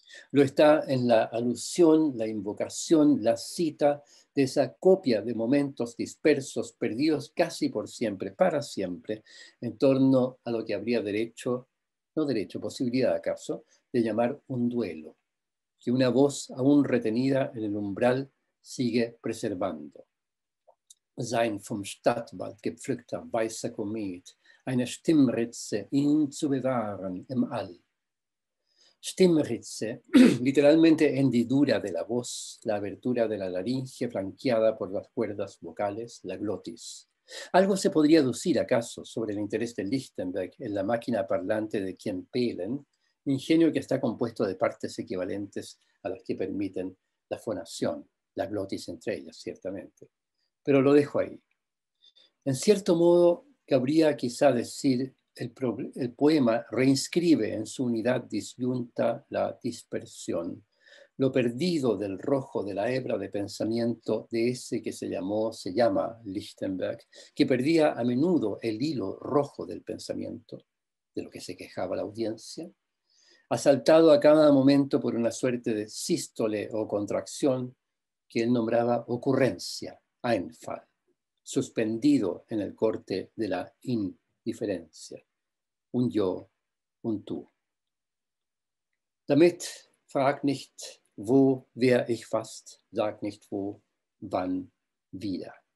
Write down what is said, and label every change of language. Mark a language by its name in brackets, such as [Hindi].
[Spanish] Lo está en la alusión, la invocación, la cita de esa copia de momentos dispersos, perdidos casi por siempre, para siempre, en torno a lo que habría derecho, no derecho, posibilidad acaso, de llamar un duelo, que una voz aún retenida en el umbral sigue preservando. [German] Sein vom Stadtwald gepflückter weißer Komet, eine Stimmritze, ihn zu bewahren im All. [Spanish] Stimmritze, literalmente hendidura de la voz, la abertura de la laringe flanqueada por las cuerdas vocales, la glotis. ¿Algo se podría deducir acaso sobre el interés de Lichtenberg en la máquina parlante de Kien Pelen, ingenio que está compuesto de partes equivalentes a las que permiten la fonación, la glotis entre ellas, ciertamente? pero lo dejo ahí. En cierto modo, cabría quizá decir, el poema reinscribe en su unidad disyunta la dispersión, lo perdido del rojo de la hebra de pensamiento de ese que se llama Lichtenberg, que perdía a menudo el hilo rojo del pensamiento, de lo que se quejaba la audiencia, asaltado a cada momento por una suerte de sístole o contracción que él nombraba ocurrencia, Einfall, suspendido en el corte de la indiferencia, un yo, un tú. [German] Damit frag nicht wo, wer ich fast, sag nicht wo, wann, wieder.